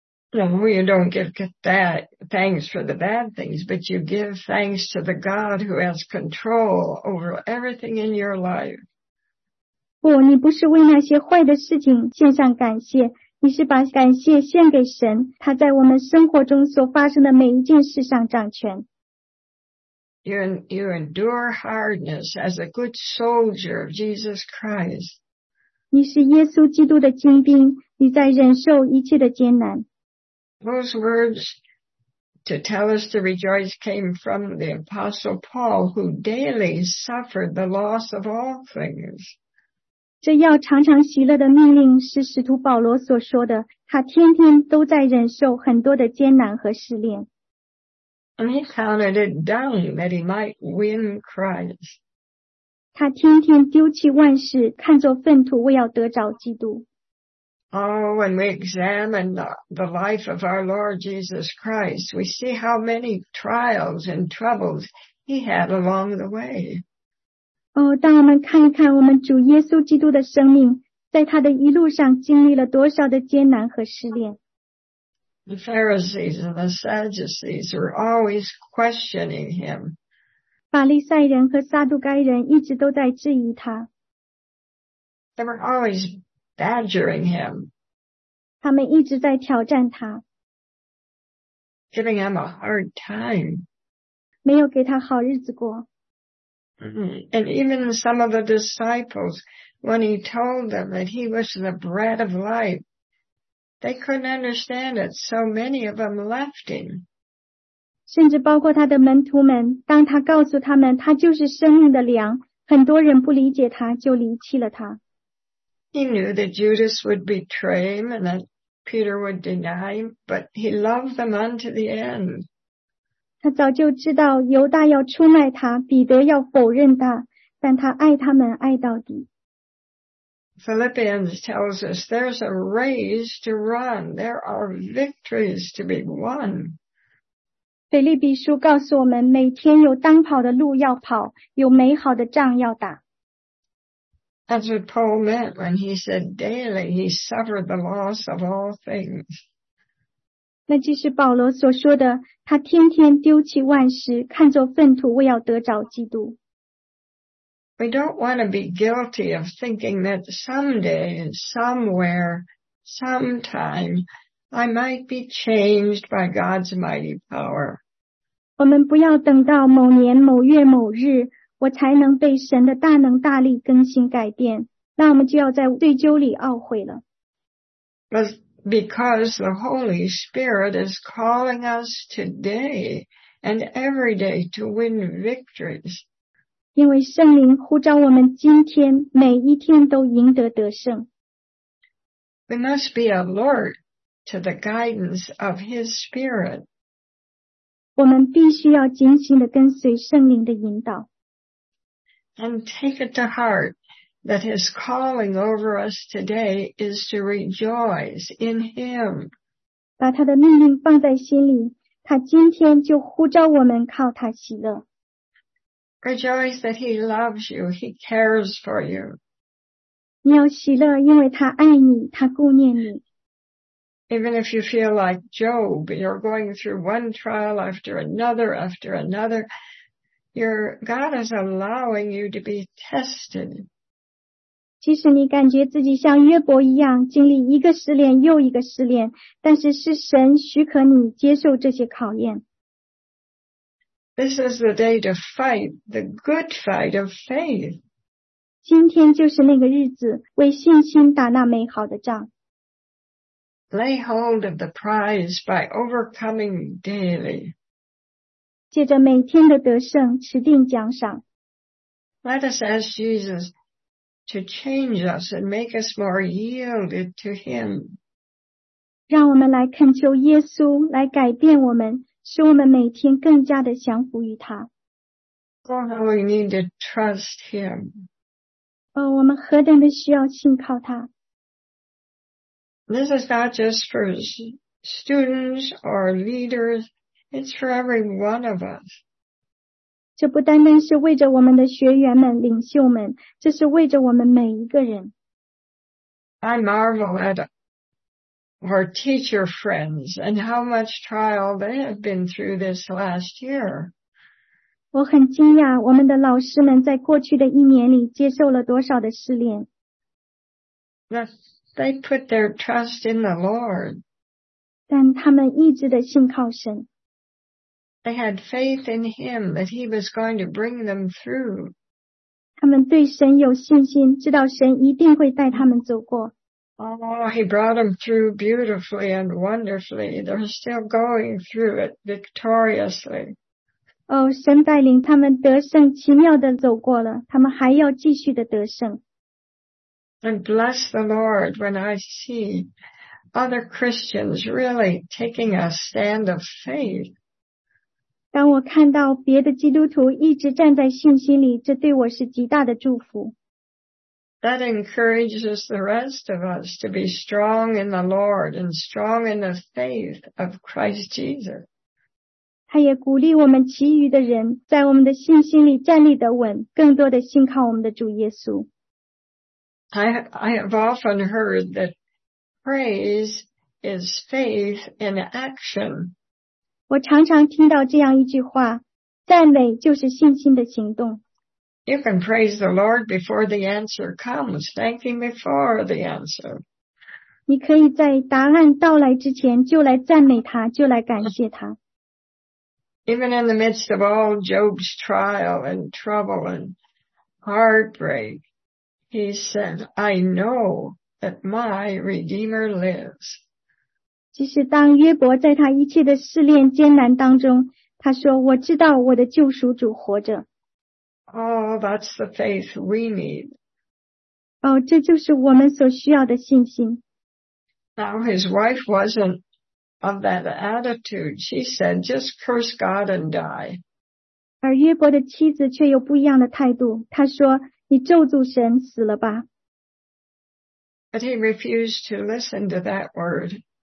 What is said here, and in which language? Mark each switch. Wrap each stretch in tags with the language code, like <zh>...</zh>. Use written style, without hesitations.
<en>No, you don't give thanks for the bad things, but you give thanks to the God who has control over everything in your life.</en> <zh>不，你不是为那些坏的事情献上感谢，你是把感谢献给神，他在我们生活中所发生的每一件事上掌权。</zh> <en>You endure hardness as a good soldier of Jesus Christ.</en> <zh>你是耶稣基督的精兵，你在忍受一切的艰难。</zh> <en>Those words to tell us to rejoice came from the Apostle Paul, who daily suffered the loss of all things.</en> <zh>这要常常喜乐的命令是使徒保罗所说的，他天天都在忍受很多的艰难和试炼。</zh> <en>And he counted it dung that he might win Christ.</en> <zh>他天天丢弃万事，看作粪土，为要得着基督。</zh> <en>Oh, when we examine the life of our Lord Jesus Christ, we see how many trials and troubles he had along the way.</en> <zh>Oh, 当我们看一看我们主耶稣基督的生命，在他的一路上经历了多少的艰难和试炼。</zh> <en>The Pharisees and the Sadducees were always questioning him.</en> <zh>法利赛人和撒杜该人一直都在质疑他。</zh> <en>They were always badgering him.</en> <zh>他们一直在挑战他。</zh> <en>Giving him a hard time.</en> <zh>没有给他好日子过。</zh> <en>And even some of the disciples, when he told them that he was the bread of life, they couldn't understand it, so many of them left him.</en> <zh>甚至包括他的门徒们，当他告诉他们他就是生命的粮，很多人不理解他，就离弃了他。</zh> <en>He knew that Judas would betray him and that Peter would deny him, but he loved them unto the end.</en> <zh>他早就知道犹大要出卖他，彼得要否认他，但他爱他们爱到底。</zh> <en>Philippians tells us there's a race to run, there are victories to be won.</en> <zh>腓立比书告诉我们，每天有当跑的路要跑，有美好的仗要打。</zh> <en>That's what Paul meant when he said daily he suffered the loss of all things.</en> <zh>那就是保罗所说的，他天天丢弃万事，看作粪土，为要得着基督。</zh> <en>We don't want to be guilty of thinking that someday, somewhere, sometime, I might be changed by God's mighty power.</en> <zh>我们不要等到某年某月某日我才能被神的大能大力更新改变，那我们就要在罪疚里懊悔了。</zh> <en>But because the Holy Spirit is calling us today and every day to win victories.</en> <zh>因为圣灵呼召我们今天每一天都赢得得胜。</zh> <en>We must be alert to the guidance of His Spirit.</en> <zh>我们必须要警醒地跟随圣灵的引导。</zh> <en>And take it to heart that his calling over us today is to rejoice in him.</en> <zh>把他的命令放在心里，他今天就呼召我们靠他喜乐。</zh> <en>Rejoice that he loves you, he cares for you.</en> <zh>你要喜乐，因为他爱你，他顾念你。</zh> <en>Even if you feel like Job, you're going through one trial after another after another, God is allowing you to be tested.</en> <zh>即使你感觉自己像约伯一样经历一个试炼又一个试炼，但是是神许可你接受这些考验。</zh> <en>This is the day to fight the good fight of faith.</en> <zh>今天就是那个日子，为信心打那美好的仗。</zh> <en>Lay hold of the prize by overcoming daily.</en> <zh>借着每天的得胜，持定奖赏。</zh> <en>Let us ask Jesus to change us and make us more yielded to Him.</en> <zh>让我们来恳求耶稣来改变我们，使我们每天更加的降服于他。</zh> <en>Oh, how we need to trust Him.</en> <zh>哦，我们何等的需要信靠他。</zh> <en>This is not just for students or leaders. It's for every one of us.</en> <zh>这不单单是为着我们的学员们、领袖们，这是为着我们每一个人。</zh> <en>I marvel at our teacher friends and how much trial they have been through this last year.</en> <zh>我很惊讶，我们的老师们在过去的一年里接受了多少的试炼。</zh> <en>They put their trust in the Lord.</en> <zh>但他们一直的信靠神。</zh> <en>They had faith in him that he was going to bring them through.</en> <zh>他们对神有信心，知道神一定会带他们走过。</zh> <en>Oh, he brought them through beautifully and wonderfully. They're still going through it victoriously.</en> <zh>哦，神带领他们得胜，奇妙地走过了，他们还要继续地得胜。</zh> <en>And bless the Lord when I see other Christians really taking a stand of faith.</en> <zh>当我看到别的基督徒一直站在信心里，这对我是极大的祝福。</zh> <en>That encourages the rest of us to be strong in the Lord and strong in the faith of Christ Jesus.</en> <zh>他也鼓励我们其余的人在我们的信心里站立得稳，更多的信靠我们的主耶稣。</zh> <en>I have often heard that praise is faith in action.</en> <zh>我常常听到这样一句话，赞美就是信心的行动。</zh> <en>You can praise the Lord before the answer comes, thank him before the answer.</en> <zh>你可以在答案到来之前就来赞美他，就来感谢他。</zh> <en>Even in the midst of all Job's trial and trouble and heartbreak, he said, I know that my Redeemer lives.</en> <zh>即使当约伯在他一切的试炼艰难当中，他说，我知道我的救赎主活着。</zh> <en>Oh, that's the faith we need.</en> <zh>哦，这就是我们所需要的信心。</zh> <en>Now, his wife wasn't of that attitude. She said, just curse God and die.</en> <zh>而约伯的妻子却有不一样的态度。她说，你咒诅神死了吧。</zh> <en>But he refused to listen to that word.</en>